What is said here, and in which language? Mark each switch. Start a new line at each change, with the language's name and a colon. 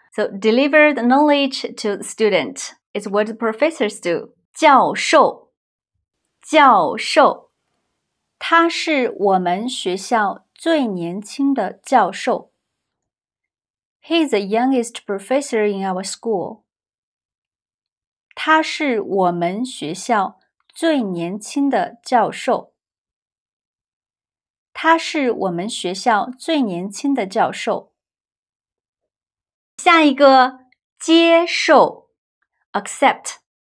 English: So deliver the knowledge to the student is what the professors do.
Chinese: 教授教授他是我们学校最年轻的教授。
English: He is the youngest professor in our school.
Chinese: 他是我们学校最年轻的教授。他是我们学校最年轻的教授。下一个，接受 ,accept.